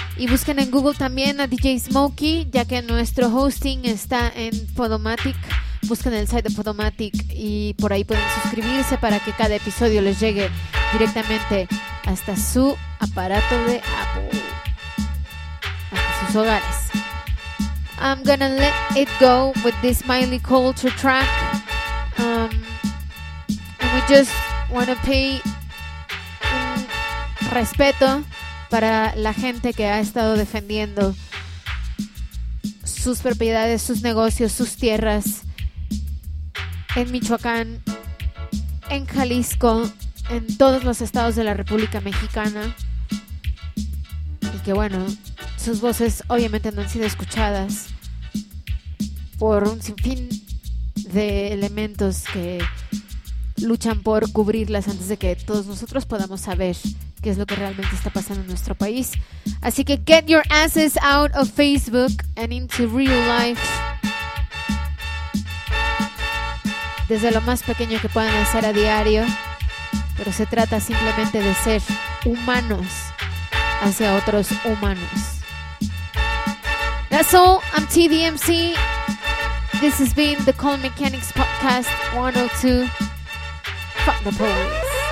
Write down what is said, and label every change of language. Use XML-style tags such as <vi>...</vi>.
<es>Y busquen en Google también a DJ Smokey, ya que nuestro hosting está en Podomatic. Busquen el site de Podomatic y por ahí pueden suscribirse para que cada episodio les llegue directamente hasta su aparato de Apple, hasta sus hogares.</es> <en>I'm gonna let it go with this Smiley Culture track. And we just wanna pay</en> <es>un respeto para la gente que ha estado defendiendo sus propiedades, sus negocios, sus tierras en Michoacán, en Jalisco, en todos los estados de la República Mexicana, y que, bueno, sus voces obviamente no han sido escuchadas por un sinfín de elementos que luchan por cubrirlas antes de que todos nosotros podamos saber qué es lo que realmente está pasando en nuestro país. Así que</es> <en>get your asses out of Facebook and into real life.</en> <es>Desde lo más pequeño que puedan hacer a diario, pero se trata simplemente de ser humanos hacia otros humanos.</es> <en>That's all. I'm TDMC. This has been the Call Mechanics Podcast 102. Fuck the police.</en>